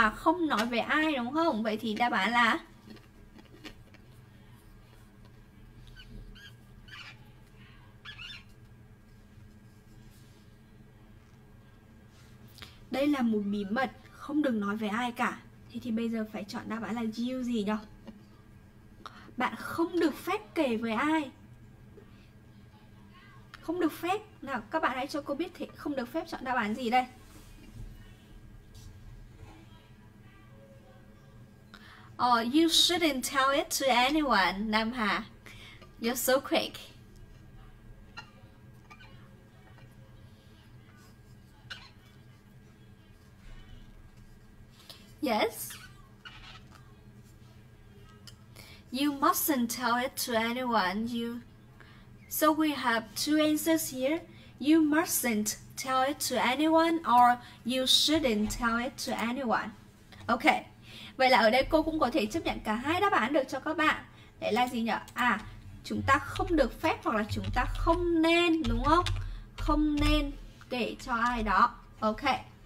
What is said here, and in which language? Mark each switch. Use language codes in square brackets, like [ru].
[vi] Không nói về ai đúng không? Vậy thì đáp án là đây là một bí mật, không được nói về ai cả. Thế thì bây giờ phải chọn đáp án là gì nhỉ? Bạn không được phép kể với ai. Không được phép. Nào, các bạn hãy cho cô biết thì không được phép chọn đáp án gì đây. [en] You shouldn't tell it to anyone, Nam Hà. You're so quick. Yes. You mustn't tell it to anyone. So we have two answers here. You mustn't tell it to anyone or you shouldn't tell it to anyone. Okay. [vi] Vậy là ở đây cô cũng có thể chấp nhận cả hai đáp án được cho các bạn. Đấy là gì nhỉ? Chúng ta không được phép hoặc là chúng ta không nên, đúng không? Không nên kể cho ai đó. Okay.